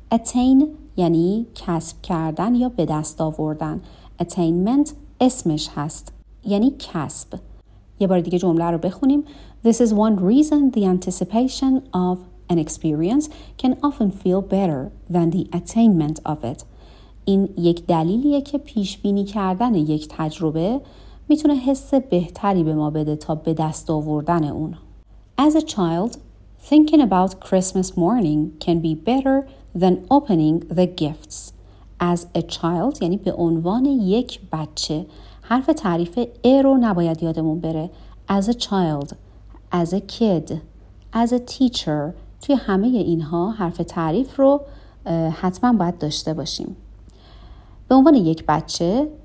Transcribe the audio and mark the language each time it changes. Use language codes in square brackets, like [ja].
[fa] Attain یعنی کسب کردن یا به دست آوردن. Attainment اسمش هست یعنی کسب. یه بار دیگه جمله رو بخونیم. [en] This is one reason the anticipation of an experience can often feel better than the attainment of it. [fa] این یک دلیلیه که پیش بینی کردن یک تجربه میتونه حس بهتری به ما بده تا به دست آوردن اون. [en] As a child, thinking about Christmas morning can be better than opening the gifts. As a child [fa] یعنی به عنوان یک بچه. حرف تعریف ا رو نباید یادمون بره. [en] As a child, as a kid, as a teacher, [fa] توی همه اینها حرف تعریف رو حتما باید داشته باشیم. به عنوان یک بچه,